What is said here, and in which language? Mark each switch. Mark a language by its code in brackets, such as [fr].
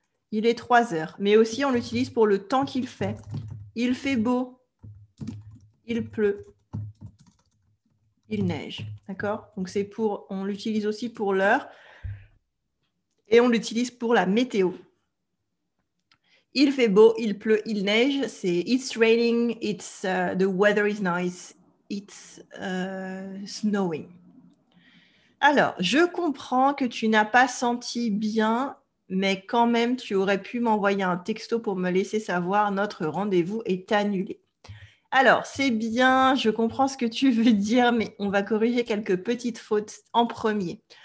[fr] Il est 3 heures, mais aussi on l'utilise pour le temps qu'il fait. Il fait beau. Il pleut, il neige, d'accord? Donc c'est pour, on l'utilise aussi pour l'heure et on l'utilise pour la météo. Il fait beau, il pleut, il neige. [en] C'est it's raining, the weather is nice, it's snowing. [fr] Alors, je comprends que tu n'as pas senti bien, mais quand même, tu aurais pu m'envoyer un texto pour me laisser savoir notre rendez-vous est annulé. Alors, c'est bien, je comprends ce que tu veux dire, mais on va corriger quelques petites fautes en premier.